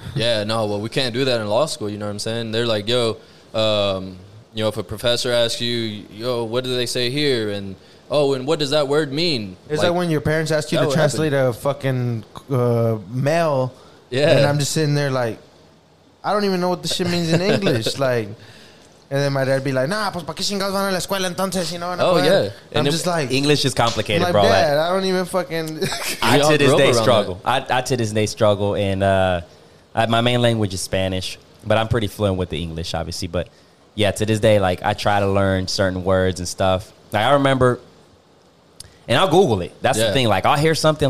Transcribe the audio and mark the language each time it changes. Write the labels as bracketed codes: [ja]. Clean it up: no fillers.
[en] Yeah, no, well, we can't do that in law school, you know what I'm saying? They're like, yo, You know, if a professor asks you, yo, what do they say here? And, oh, and what does that word mean? It's like when your parents ask you to translate a fucking mail. Yeah. And I'm just sitting there like, I don't even know what the shit means in English. Like, and then my dad be like, nah, [es] pues, ¿para qué chingados van a la escuela entonces? [en] You know, and oh, yeah. And I'm just like, English is complicated, like, bro. Dad, like, I don't even fucking. I to this day struggle. And my main language is Spanish, but I'm pretty fluent with the English, obviously. But yeah, to this day, like, I try to learn certain words and stuff. Like, I remember, and I'll Google it. That's the thing. Like, I'll hear something.